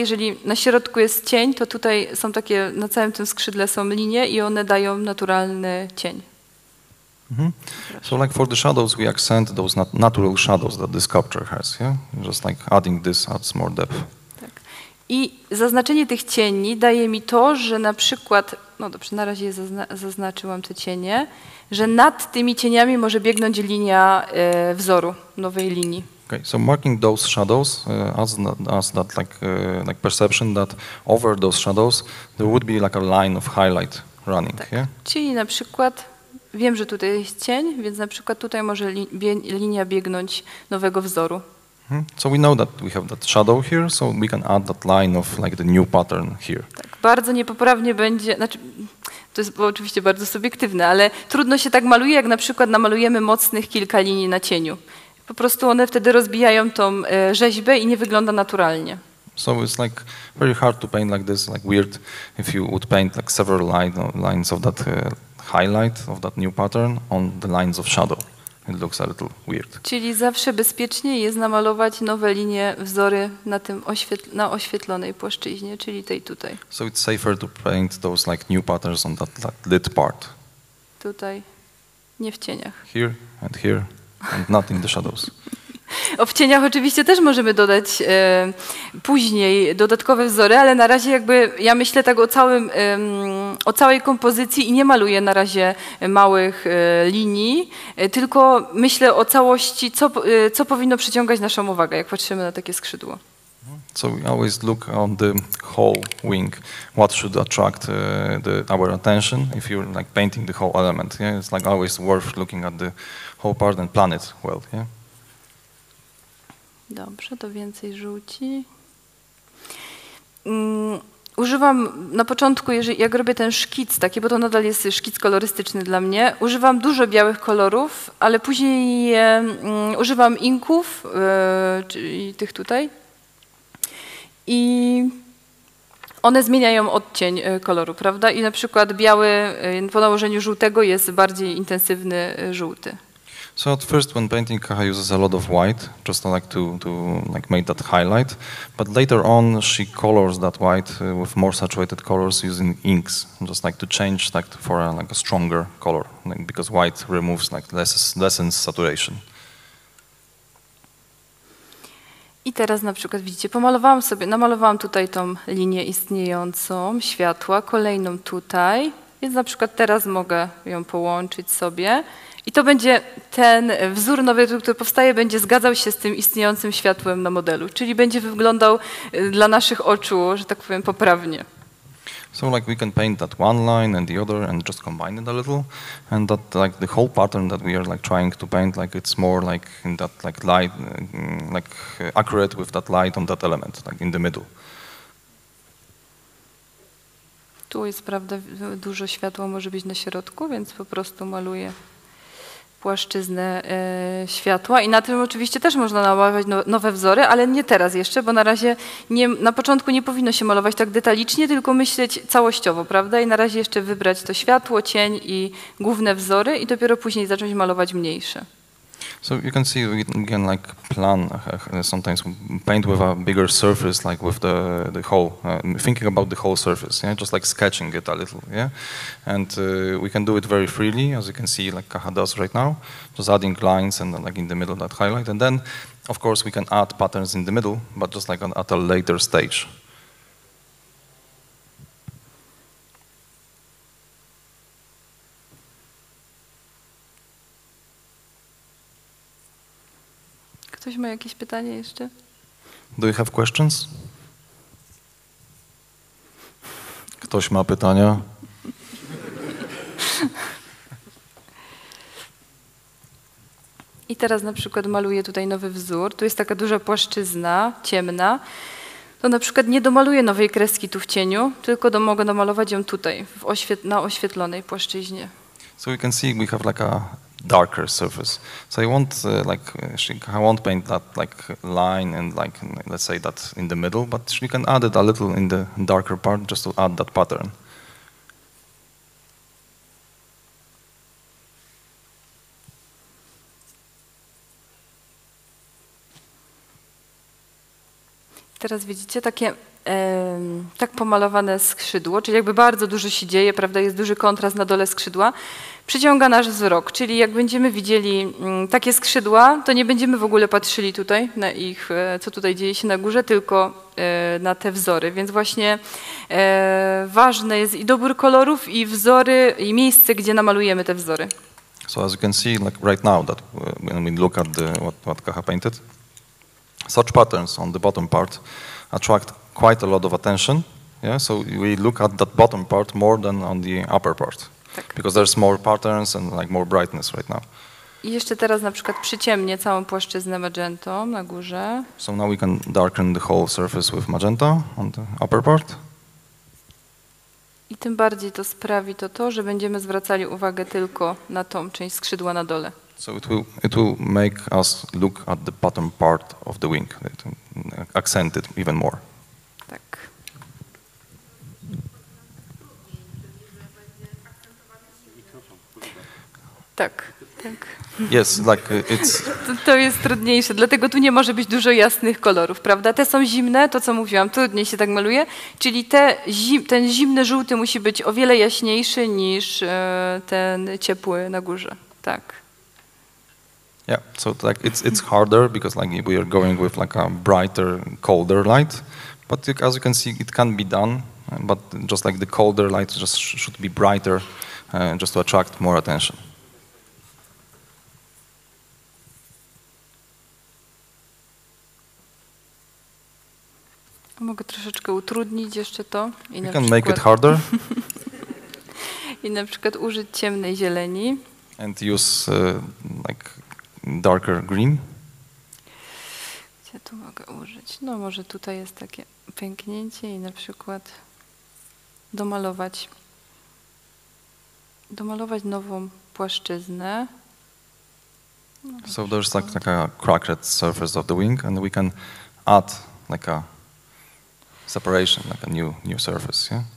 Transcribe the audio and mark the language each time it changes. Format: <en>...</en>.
<pl>Jeżeli na środku jest cień, to tutaj są takie, na całym tym skrzydle są linie i one dają naturalny cień. Mm-hmm.</pl> <en>So like for the shadows, we accent those natural shadows that the sculpture has, yeah? Just like adding this adds more depth.</en> <pl>Tak. I zaznaczenie tych cieni daje mi to, że na przykład, no dobrze, na razie zaznaczyłam te cienie, że nad tymi cieniami może biegnąć linia wzoru, nowej linii.</pl> <en>Okay, so marking those shadows as that like perception that over those shadows there would be like a line of highlight running.</en> <pl>Tak.</pl> <en>Yeah?</en> <pl>Czyli na przykład wiem, że tutaj jest cień, więc na przykład tutaj może linia biegnąć nowego wzoru. Hmm.</pl> <en>So we know that we have that shadow here, so we can add that line of like the new pattern here.</en> <pl>Tak, bardzo niepoprawnie będzie, znaczy to jest oczywiście bardzo subiektywne, ale trudno się tak maluje, jak na przykład namalujemy mocnych kilka linii na cieniu. Po prostu one wtedy rozbijają tą rzeźbę i nie wygląda naturalnie.</pl> <en>So it's like very hard to paint like this, like weird, if you would paint like several lines of that highlight of that new pattern on the lines of shadow. It looks a little weird.</en> <pl>Czyli zawsze bezpieczniej jest namalować nowe linie, wzory na tym na oświetlonej płaszczyźnie, czyli tej tutaj.</pl> <en>So it's safer to paint those like new patterns on that like lit part.</en> <pl>Tutaj, nie w cieniach.</pl> <en>Here and here. And not in the shadows.</en> <pl>O, w cieniach oczywiście też możemy dodać później dodatkowe wzory, ale na razie jakby ja myślę tak o całej kompozycji i nie maluję na razie małych linii, tylko myślę o całości, co powinno przyciągać naszą uwagę, jak patrzymy na takie skrzydło.</pl> <en>So we always look on the whole wing, what should attract our attention if you're like painting the whole element. Yeah? It's like always worth looking at the whole part and planet well. Yeah?</en> <pl>Dobrze, to więcej żółci. Używam na początku, jak robię ten szkic taki, bo to nadal jest szkic kolorystyczny dla mnie, używam dużo białych kolorów, ale później używam inków, czyli tych tutaj. I one zmieniają odcień koloru, prawda? I na przykład biały po nałożeniu żółtego jest bardziej intensywny żółty.</pl> <en>So at first when painting Kaha uses a lot of white, just like to like make that highlight, but later on she colors that white with more saturated colors using inks, just like to change that for a, like a stronger color, like because white removes like lessens saturation.</en> <pl>I teraz na przykład widzicie, pomalowałam sobie, namalowałam tutaj tą linię istniejącą światła, kolejną tutaj, więc na przykład teraz mogę ją połączyć sobie. I to będzie ten wzór nowy, który powstaje, będzie zgadzał się z tym istniejącym światłem na modelu, czyli będzie wyglądał dla naszych oczu, że tak powiem, poprawnie.</pl> <en>So like we can paint that one line and the other and just combine it a little, and that like the whole pattern that we are like trying to paint, like it's more like in that like light, like accurate with that light on that element, like in the middle.</en> <pl>Tu jest, prawda, dużo światła może być na środku, więc po prostu maluję płaszczyznę światła i na tym oczywiście też można namalować nowe wzory, ale nie teraz jeszcze, bo na razie nie, na początku nie powinno się malować tak detalicznie, tylko myśleć całościowo, prawda? I na razie jeszcze wybrać to światło, cień i główne wzory i dopiero później zacząć malować mniejsze.</pl> <en>So you can see we can like plan sometimes paint with a bigger surface, like with the whole thinking about the whole surface, yeah, just like sketching it a little, yeah, and we can do it very freely, as you can see, like Kaha does right now, just adding lines and like in the middle that highlight, and then of course we can add patterns in the middle, but just like at a later stage.</en> <pl>Ktoś ma jakieś pytanie jeszcze?</pl> <en>Do you have questions?</en> <pl>Ktoś ma pytania? I teraz na przykład maluję tutaj nowy wzór. Tu jest taka duża płaszczyzna, ciemna. To na przykład nie domaluję nowej kreski tu w cieniu, tylko mogę namalować ją tutaj, na oświetlonej płaszczyźnie.</pl> <en>So you can see we have like a darker surface. So I won't paint that like line and like let's say that in the middle, but she can add it a little in the darker part just to add that pattern.</en> <pl>Teraz widzicie takie tak pomalowane skrzydło, czyli jakby bardzo dużo się dzieje, prawda, jest duży kontrast na dole skrzydła, przyciąga nasz wzrok, czyli jak będziemy widzieli takie skrzydła, to nie będziemy w ogóle patrzyli tutaj na ich, co tutaj dzieje się na górze, tylko na te wzory, więc właśnie ważne jest i dobór kolorów, i wzory, i miejsce, gdzie namalujemy te wzory.</pl> <en>So as you can see, like right now, that when we look at what Kaha painted, such patterns on the bottom part attract quite a lot of attention, yeah, so we look at that bottom part more than on the upper part,</en> <pl>tak,</pl> <en>because there's more patterns and like more brightness right now.</en> <pl>I jeszcze teraz na przykład przyciemnię całą płaszczyznę magentą na górze.</pl> <en>So now we can darken the whole surface with magenta on the upper part.</en> <pl>I tym bardziej to sprawi to, że będziemy zwracali uwagę tylko na tą część skrzydła na dole.</pl> <en>So it will make us look at the bottom part of the wing, accent it even more.</en> <pl>Tak, tak.</pl> <en>Yes, like it's...</en> <pl>To jest trudniejsze, dlatego tu nie może być dużo jasnych kolorów, prawda? Te są zimne, to co mówiłam, trudniej się tak maluje, czyli ten zimny żółty musi być o wiele jaśniejszy niż ten ciepły na górze, tak.</pl> <en>Yeah, so like it's harder because like we are going with like a brighter, colder light, but as you can see, it can be done, but just like the colder light just should be brighter just to attract more attention.</en> <pl>Mogę troszeczkę utrudnić jeszcze to.</pl> <en>I you can przykład, make it harder.</en> <pl>I na przykład użyć ciemnej zieleni.</pl> <en>And use like darker green.</en> <pl>Gdzie tu mogę użyć? No może tutaj jest takie pęknięcie i na przykład domalować nową płaszczyznę.</pl> <en>No, so there's like a cracked surface of the wing and we can add like a separation, like a new surface, yeah?</en>